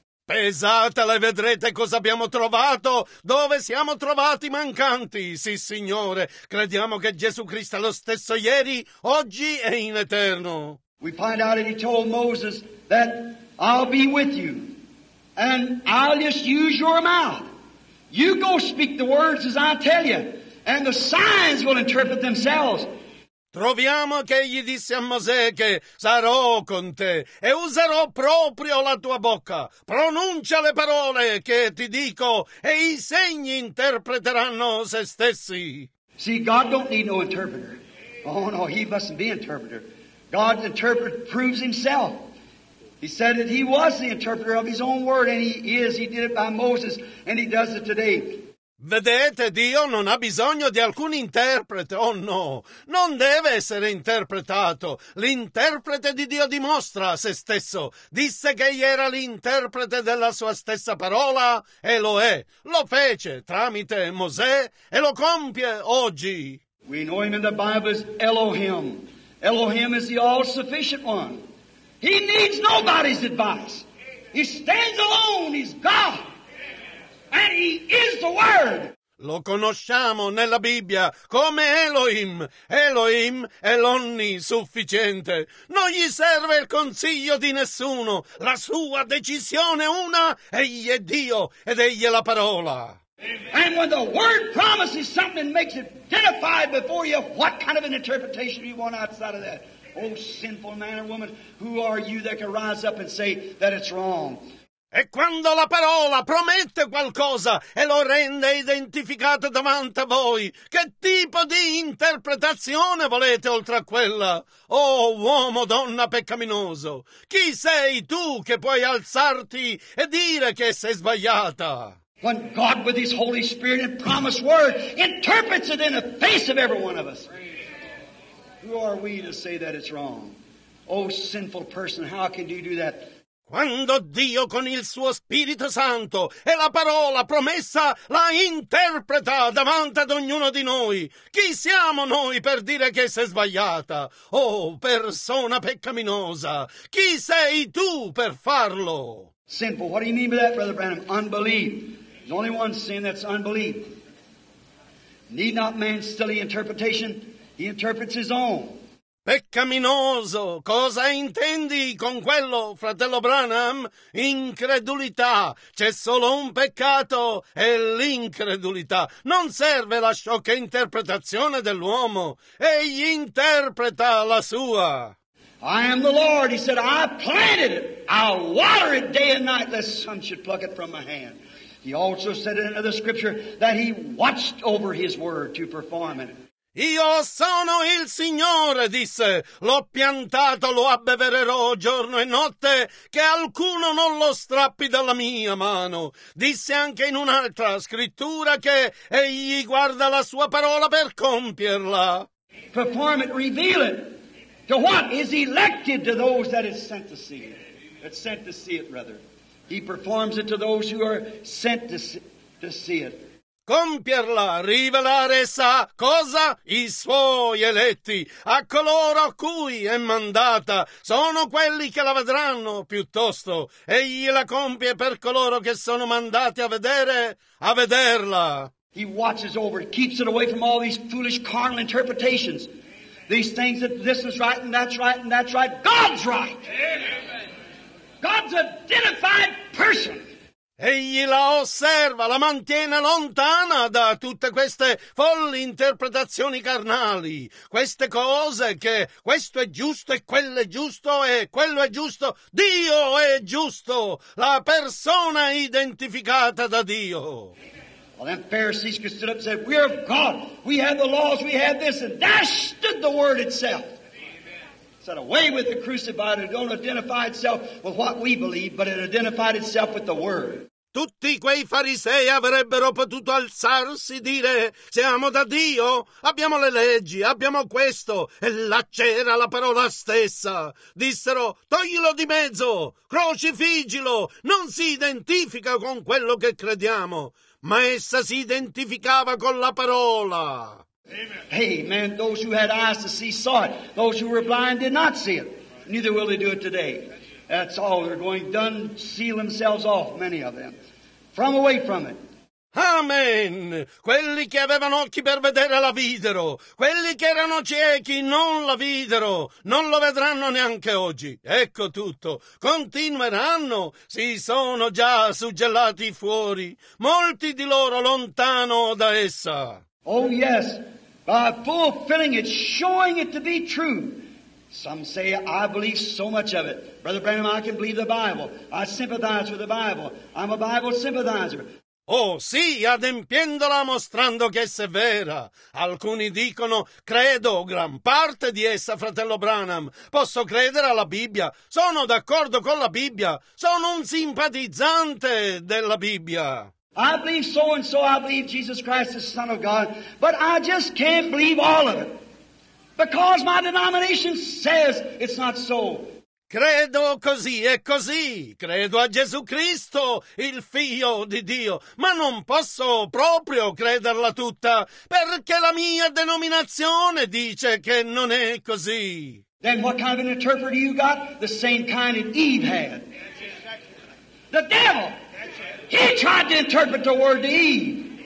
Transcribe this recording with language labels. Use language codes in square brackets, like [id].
[it] Pesatela e vedrete cosa abbiamo trovato, dove siamo trovati mancanti. Sì, Signore, crediamo che Gesù Cristo è lo stesso ieri, oggi e in eterno. [en] We find out that he told Moses that I'll be with you and I'll just use your mouth. You go speak the words as I tell you and the signs will interpret themselves. [it] Troviamo che egli disse a Mosè che sarò con te e userò proprio la tua bocca. Pronuncia le parole che ti dico e i segni interpreteranno se stessi. [en] See, God don't need no interpreter. Oh no, he mustn't be interpreter. God's interpreter proves himself. He said that he was the interpreter of his own word and he is. He did it by Moses and he does it today. [it] Vedete, Dio non ha bisogno di alcun interprete, oh no, non deve essere interpretato. L'interprete di Dio dimostra se stesso, disse che egli era l'interprete della sua stessa parola, e lo è. Lo fece tramite Mosè e lo compie oggi. [en] We know him in the Bible as Elohim. Elohim is the all-sufficient one. He needs nobody's advice. He stands alone, he's God. And he is the word. [it] Lo conosciamo nella Bibbia come Elohim. Elohim è l'onnisufficiente. Non gli serve il consiglio di nessuno. La sua decisione è una, egli è Dio ed egli è la parola. [en] And when the word promises something, makes it identified before you, what kind of an interpretation do you want outside of that? Oh, sinful man or woman, who are you that can rise up and say that it's wrong? [it] E quando la parola promette qualcosa e lo rende identificato davanti a voi, che tipo di interpretazione volete oltre a quella? Oh, uomo, donna peccaminoso, chi sei tu che puoi alzarti e dire che sei sbagliata? [en] When God with his Holy Spirit and promised word interprets it in the face of every one of us. Who are we to say that it's wrong? Oh, sinful person, how can you do that? [it] Quando Dio con il suo Spirito Santo e la parola promessa la interpreta davanti ad ognuno di noi, chi siamo noi per dire che sei sbagliata? Oh, persona peccaminosa, chi sei tu per farlo? [en] Sinful, what do you mean by that, Brother Branham? Unbelief. There's only one sin, that's unbelief. Need not man's silly interpretation, he interprets his own. [it] Peccaminoso, cosa intendi con quello, fratello Branham? Incredulità, c'è solo un peccato, è l'incredulità. Non serve la sciocca interpretazione dell'uomo, egli interpreta la sua. [en] I am the Lord, he said, I planted it, I'll water it day and night, lest some should pluck it from my hand. He also said in another scripture that he watched over his word to perform it. [it] Io sono il Signore, disse, l'ho piantato, lo abbevererò giorno e notte, che alcuno non lo strappi dalla mia mano. Disse anche in un'altra scrittura che egli guarda la sua parola per compierla. [en] Perform it, reveal it. To what is elected to those that is sent to see it. That's sent to see it, rather. He performs it to those who are sent to see it. [it] Compierla, rivelare sa cosa? I suoi eletti, a coloro a cui è mandata, sono quelli che la vedranno piuttosto, egli la compie per coloro che sono mandati a vedere, a vederla. [en] He watches over, keeps it away from all these foolish carnal interpretations, these things that this is right and that's right and that's right. God's right! God's identified person! [it] Egli la osserva, la mantiene lontana da tutte queste folli interpretazioni carnali, queste cose che questo è giusto e quello è giusto e quello è giusto. Dio è giusto, la persona identificata da Dio. [en] Well, then Pharisees could stand up and say, we are of God, we have the laws, we have this, and there stood the word itself. Said, away with the crucified, it don't identify itself with what we believe, but it identified itself with the word. [it] tutti quei farisei avrebbero potuto alzarsi e dire: siamo da Dio, abbiamo le leggi, abbiamo questo. E là c'era la parola stessa. Dissero: toglilo di mezzo, crocifiggilo, non si identifica con quello che crediamo. Ma essa si identificava con la parola. Amen. Amen. [en] Those who had eyes to see saw it. Those who were blind did not see it. Neither will they do it today. That's all. They're going done, seal themselves off, many of them, from away from it. Amen. [it] Quelli che avevano occhi per vedere la videro. Quelli che erano ciechi non la videro. Non lo vedranno neanche oggi. Ecco tutto. Continueranno. Si sono già suggellati fuori. Molti di loro lontano da essa. [en] Oh yes, by fulfilling it, showing it to be true. Some say, I believe so much of it. Brother Branham, I can believe the Bible. I sympathize with the Bible. I'm a Bible sympathizer. [it] Oh sì, adempiendola, mostrando che essa è vera. Alcuni dicono, credo gran parte di essa, fratello Branham. Posso credere alla Bibbia. Sono d'accordo con la Bibbia. Sono un simpatizzante della Bibbia. [en] I believe so and so, I believe Jesus Christ is the Son of God, but I just can't believe all of it, because my denomination says it's not so. [it] Credo così e così, credo a Gesù Cristo, il Figlio di Dio, ma non posso proprio crederla tutta, perché la mia denominazione dice che non è così. [en] Then what kind of an interpreter you got? The same kind that Eve had. The devil! He tried to interpret the word to Eve.